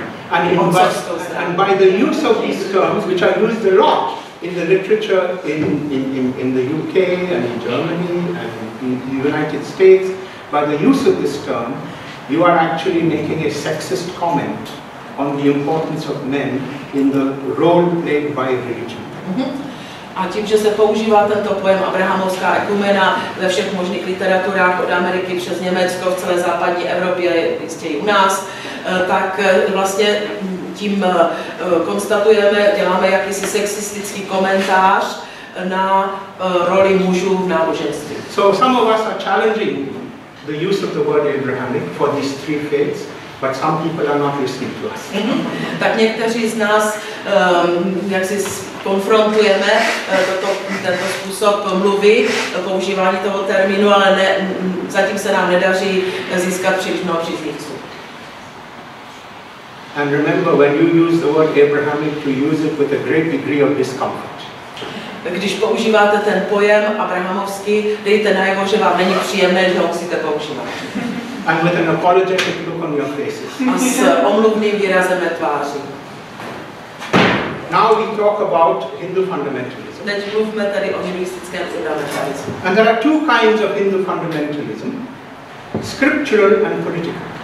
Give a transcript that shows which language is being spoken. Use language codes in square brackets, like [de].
[en] And by the use of these terms, which are used a lot in the literature in the UK and in Germany and in the United States, by the use of this term, you are actually making a sexist comment on the importance of men in the role played by religion. [cs] A tím, že se používá tento pojem abrahamovská ekumena ve všech možných literaturách od Ameriky přes Německo, v celé západní Evropě, jistě i u nás, tak vlastně tím konstatujeme, děláme jakýsi sexistický komentář na roli mužů v náboženství. [en] So some of us are challenging the use of the word Abrahamic for these three faiths. But some people are not listening to us. [cs] Tak někteří z nás, jak si konfrontujeme tento způsob mluvy, používání toho termínu, ale zatím se nám nedaří získat příliš příznivců. [en] And remember, when you use the word Abrahamic, to use it with a great degree of discomfort. [cs] Když používáte ten pojem abrahamovský, dejte najevo, že vám není příjemné, že ho musíte používat. [en] And with an apologetic look on your faces. [cs] S omluvným výrazem ve tváři. [en] Now we talk about Hindu fundamentalism. [cs] Teď mluvíme tady o hinduistickém fundamentalismu. [en] And there are two kinds of Hindu fundamentalism, scriptural and political.